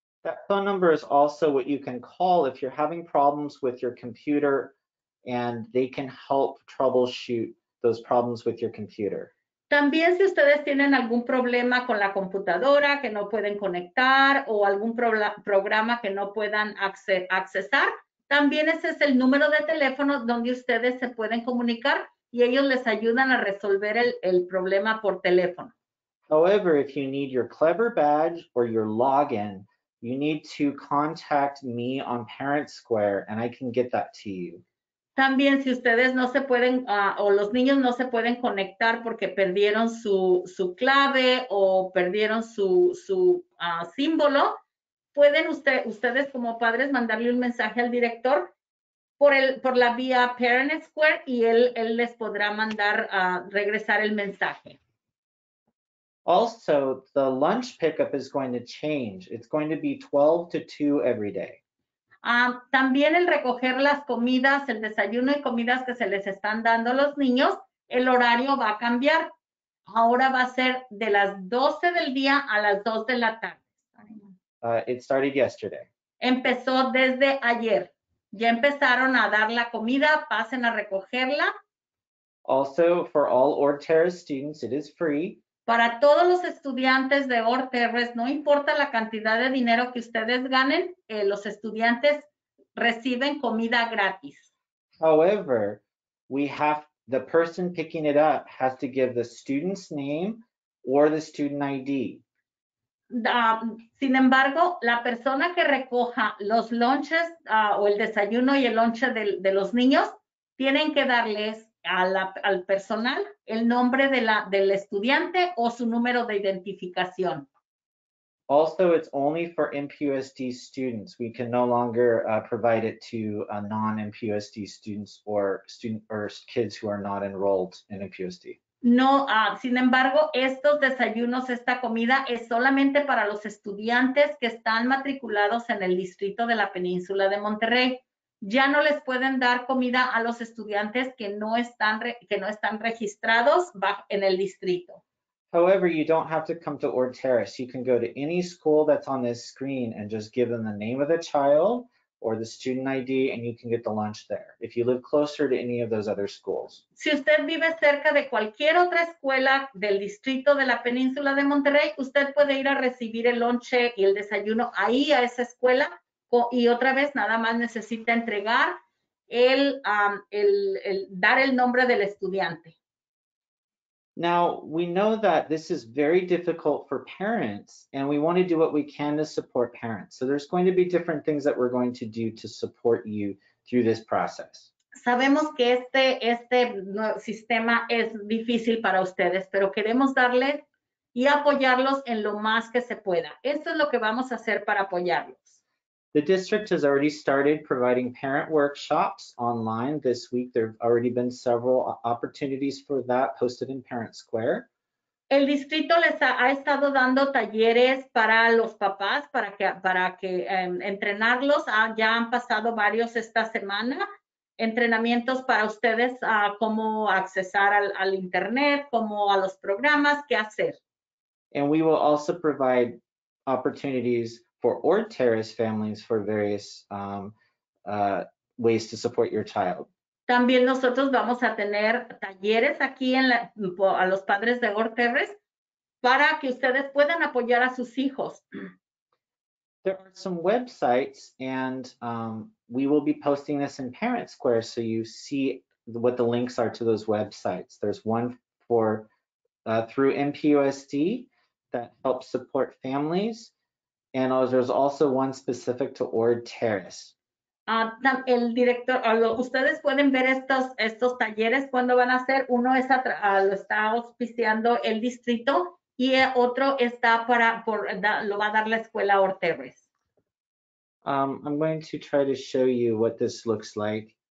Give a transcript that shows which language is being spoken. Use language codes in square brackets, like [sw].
[en] That phone number is also what you can call if you're having problems with your computer, and they can help troubleshoot those problems with your computer. [es] También si ustedes tienen algún problema con la computadora que no pueden conectar o algún programa que no puedan accesar, también ese es el número de teléfono donde ustedes se pueden comunicar y ellos les ayudan a resolver el problema por teléfono. [en] However, if you need your Clever badge or your login, you need to contact me on Parent Square and I can get that to you. [es] También si ustedes no se pueden o los niños no se pueden conectar porque perdieron su clave o perdieron su símbolo, pueden ustedes como padres mandarle un mensaje al director por la vía Parent Square y él les podrá mandar a regresar el mensaje. [en] Also, the lunch pickup is going to change. It's going to be 12 to 2 every day. [es] También el recoger las comidas, el desayuno y comidas que se les están dando a los niños, el horario va a cambiar. Ahora va a ser de las 12 del día a las 2 de la tarde. [en] It started yesterday. [es] Empezó desde ayer. Ya empezaron a dar la comida, pasen a recogerla. [en] Also, for all Ord Terrace students, it is free. [es] Para todos los estudiantes de Ord Terrace, no importa la cantidad de dinero que ustedes ganen, los estudiantes reciben comida gratis. [en] However, the person picking it up has to give the student's name or the student ID. [es] Sin embargo, la persona que recoja los lunches o el desayuno y el lunch de los niños tienen que darles al personal el nombre del estudiante o su número de identificación. [en] Also, it's only for MPUSD students. We can no longer provide it to non-MPUSD students or kids who are not enrolled in MPUSD. [es] No, sin embargo, estos desayunos, esta comida es solamente para los estudiantes que están matriculados en el distrito de la Península de Monterrey. Ya no les pueden dar comida a los estudiantes que no están registrados en el distrito. [en] However, you don't have to come to Ord Terrace. You can go to any school that's on this screen and just give them the name of the child or the student ID, and you can get the lunch there if you live closer to any of those other schools. [es] Si usted vive cerca de cualquier otra escuela del distrito de la península de Monterrey, usted puede ir a recibir el lunch y el desayuno ahí a esa escuela. Y otra vez, nada más necesita entregar dar el nombre del estudiante. [en] Now, we know that this is very difficult for parents, and we want to do what we can to support parents. So there's going to be different things that we're going to do to support you through this process. [es] Sabemos que este sistema es difícil para ustedes, pero queremos darle y apoyarlos en lo más que se pueda. Esto es lo que vamos a hacer para apoyarlos. [en] The district has already started providing parent workshops online this week. There have already been several opportunities for that posted in Parent Square. [es] El distrito les ha estado dando talleres para los papás para que entrenarlos. Ya han pasado varios esta semana. Entrenamientos para ustedes a cómo accesar al internet, cómo a los programas, qué hacer. [en] And we will also provide opportunities for Ord Terrace families for various ways to support your child. [es] También nosotros vamos a tener talleres aquí a los padres de Ord Terrace para que ustedes puedan apoyar a sus hijos. [en] There are some websites, and we will be posting this in Parent Square so you see what the links are to those websites. There's one for through MPUSD that helps support families, and there's also one specific to Ord Terrace. [es] El director, ustedes pueden ver estos talleres cuando van a ser. Uno es lo está auspiciando el distrito, y otro está para lo va a dar la escuela Ord Terrace. [en] I'm going to try to show you what this looks like.